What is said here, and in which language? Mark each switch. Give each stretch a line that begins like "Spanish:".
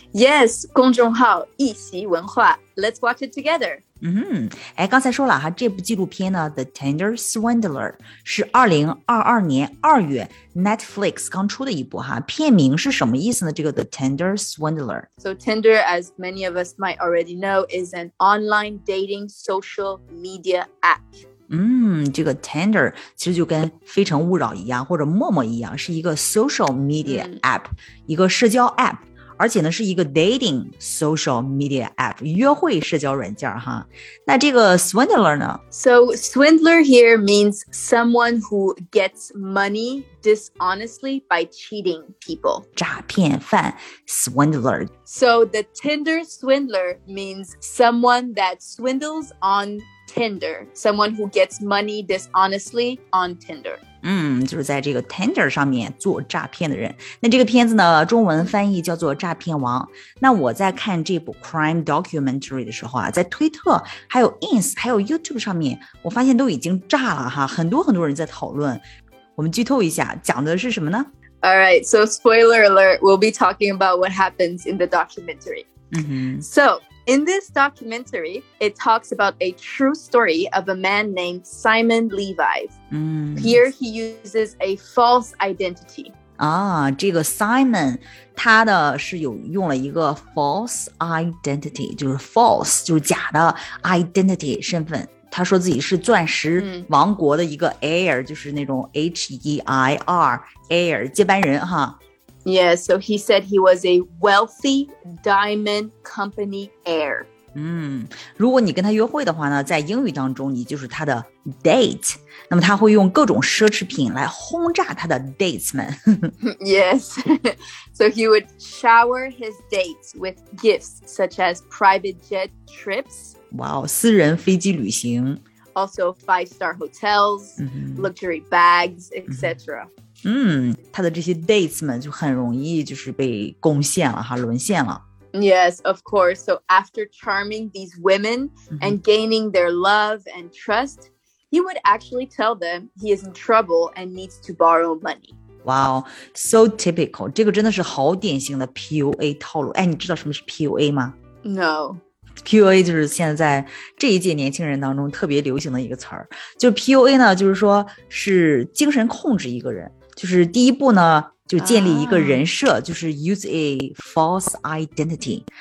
English: Yes,
Chinese: 公众号一席文化，
English: let's watch it together.
Chinese: 哎，刚才说了哈，这部纪录片呢 The Tinder Swindler 是2022年2月 Netflix 刚出的一部哈，片名是什么意思呢？这个 The Tinder Swindler,
English: So Tinder, as many of us might already know, is an online dating social media app.
Chinese: 这个 Tinder 其实就跟非诚勿扰一样，或者陌陌一样，是一个 social media app, 一个社交 app,而且呢是一个 dating social media app, 约会社交软件哈。那这个 swindler 呢？
English: So swindler here means someone who gets money dishonestly by cheating people.
Chinese: 诈骗犯 swindler.
English: So the Tinder swindler means someone that swindles on Tinder. Someone who gets money dishonestly on Tinder.
Chinese: 就是在这个 Tinder 上面做诈骗的人。那这个片子呢，中文翻译叫做诈骗王。那我在看这部 crime documentary 的时候啊，在推特还有 Ins 还有 YouTube 上面，我发现都已经炸了哈，很多很多人在讨论。我们剧透一下，讲的是什么呢？
English: Alright, so spoiler alert, we'll be talking about what happens in the documentary. So, in this documentary, it talks about a true story of a man named Simon Levi. Here he uses a false identity.
Chinese: 这个 Simon, 他的是有用了一个 false identity, 就是 false, 就是假的 identity, 身份。他说自己是钻石王国的一个 heir, 就是那种 H-E-I-R, heir, 接班人哈。
English: Yeah, so he said he was a wealthy diamond company heir.
Chinese: 如果你跟他约会的话呢，在英语当中你就是他的 date, 那么他会用各种奢侈品来轰炸他的 dates 们。
English: Yes, so he would shower his dates with gifts such as private jet trips.
Chinese: Wow, 私人飞机旅行。
English: Also five-star hotels, luxury bags, etc.
Chinese: 他的这些 dates 们就很容易就是被攻陷了哈，沦陷了。
English: Yes, of course. So after charming these women and gaining their love and trust, he would actually tell them he is in trouble and needs to borrow money. Wow, so typical.
Chinese: 这个真的是好典型的 PUA 套路。哎，你知道什么是 PUA 吗？
English: No.
Chinese: PUA 就是现在这一届年轻人当中特别流行的一个词儿，就 PUA 呢，就是说是精神控制一个人，就是第一步呢，就建立一个人设，就是
English: use a false identity,